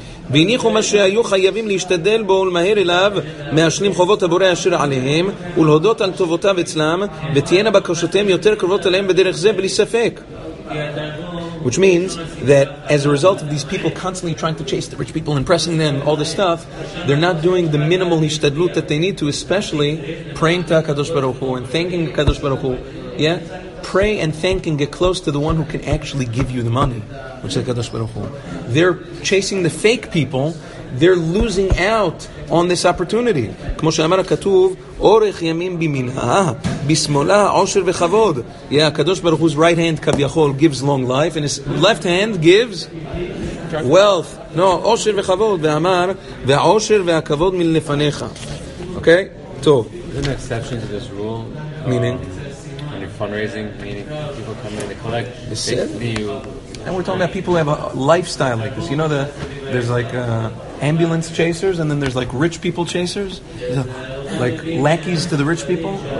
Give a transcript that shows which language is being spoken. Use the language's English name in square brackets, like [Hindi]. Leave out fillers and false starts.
[Hebrew] והניחו מה שהיו חייבים להשתדל בו ולמהר אליו מהשלים חובות הבורא אשר עליהם ולהודות על טובותיו אצלם ותהיינה בקשותיהם יותר קרובות אליהם בדרך זה בלי ספק. [English] Which means that as a result of these people constantly trying to chase the rich people and pressing them, all this stuff, they're not doing the minimal hishtadlut that they need to, especially praying to HaKadosh Baruch Hu and thanking HaKadosh Baruch Hu. Yeah? Pray and thank and get close to the one who can actually give you the money, which is HaKadosh Baruch Hu. They're chasing the fake people. They're losing out on this opportunity. [Hebrew] כמו שאמר הכתוב, אורך ימים במנהה, בשמאלה, עושר וכבוד. [English] Yeah, HaKadosh Baruch Hu's right hand, כביכול, gives long life, and his left hand gives wealth. No, [Hebrew] עושר וכבוד. ואמר, והעושר והכבוד מלפניך. [English] Okay? [Hebrew] טוב. [English] Is there an exception to this rule? Meaning? Fundraising, meaning people come in, they collect, they feed you. And we're talking about people who have a lifestyle like this. You know, there's like ambulance chasers, and then there's like rich people chasers, like lackeys to the rich people.